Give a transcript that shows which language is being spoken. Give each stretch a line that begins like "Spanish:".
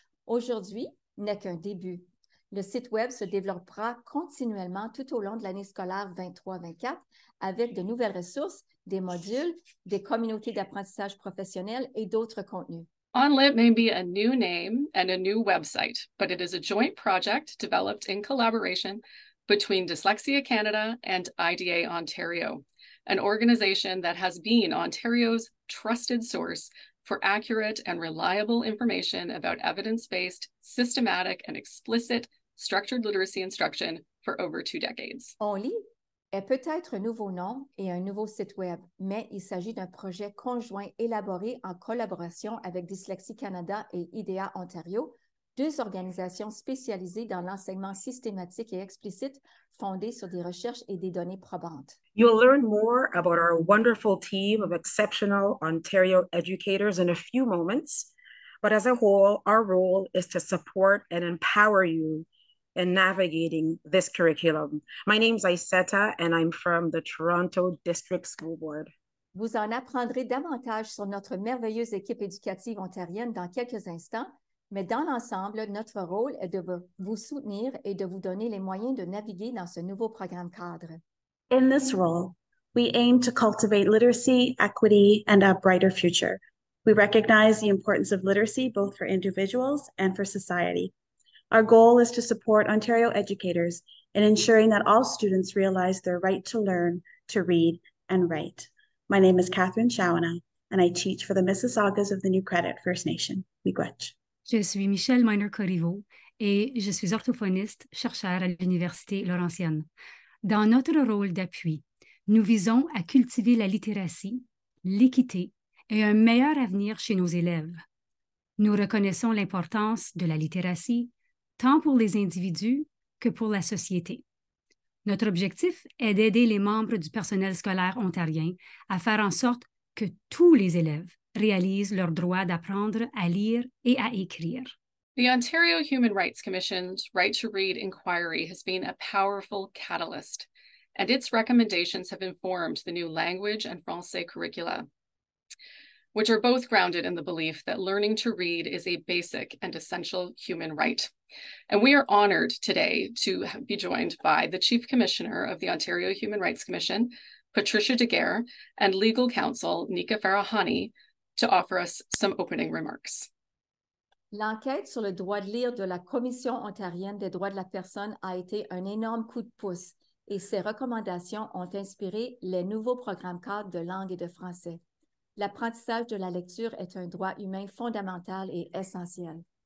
French: Aujourd'hui n'est qu'un début. Le site web se développera continuellement tout au long de l'année scolaire 23-24 avec de nouvelles ressources, des modules, des communautés d'apprentissage professionnel et d'autres contenus.
English: ONlit may be a new name and a new website, but it is a joint project developed in collaboration between Dyslexia Canada and IDA Ontario, an organization that has been Ontario's trusted source for accurate and reliable information about evidence-based, systematic, and explicit structured literacy instruction for over two decades.
French: ONlit est peut-être un nouveau nom et un nouveau site web, mais il s'agit d'un projet conjoint élaboré en collaboration avec Dyslexie Canada et IDEA Ontario, deux organisations spécialisées dans l'enseignement systématique et explicite fondées sur des recherches et des données probantes.
English: You'll learn more about our wonderful team of exceptional Ontario educators in a few moments, but as a whole, our role is to support and empower you in navigating this curriculum. My name is Iseta and I'm from the Toronto District School Board.
French: Vous en apprendrez davantage sur notre merveilleuse équipe éducative ontarienne dans quelques instants, Mais dans l'ensemble, notre rôle est de vous soutenir et de vous donner les moyens de naviguer dans ce nouveau programme cadre.
English: In this role, we aim to cultivate literacy, equity, and a brighter future. We recognize the importance of literacy both for individuals and for society. Our goal is to support Ontario educators in ensuring that all students realize their right to learn, to read, and write. My name is Catherine Shawana, and I teach for the Mississaugas of the New Credit First Nation, Miigwech.
French: Je suis Michelle Miner-Corriveau, et je suis orthophoniste, chercheure à l'Université Laurentienne. Dans notre rôle d'appui, nous visons à cultiver la littératie, l'équité, et un meilleur avenir chez nos élèves. Nous reconnaissons l'importance de la littératie, tant pour les individus que pour la société. Notre objectif est d'aider les membres du personnel scolaire ontarien à faire en sorte que tous les élèves réalisent leur droit d'apprendre à lire et à écrire.
English: The Ontario Human Rights Commission's Right to Read Inquiry has been a powerful catalyst, and its recommendations have informed the new language and Français curricula, which are both grounded in the belief that learning to read is a basic and essential human right. And we are honored today to be joined by the Chief Commissioner of the Ontario Human Rights Commission, Patricia Daguerre, and legal counsel, Nika Farahani, to offer us some opening remarks.
French: L'enquête sur le droit de lire de la Commission ontarienne des droits de la personne a été un énorme coup de pouce, et ses recommandations ont inspiré les nouveaux programmes cadres de langue et de français. L'apprentissage de la lecture est un droit humain fondamental et essentiel.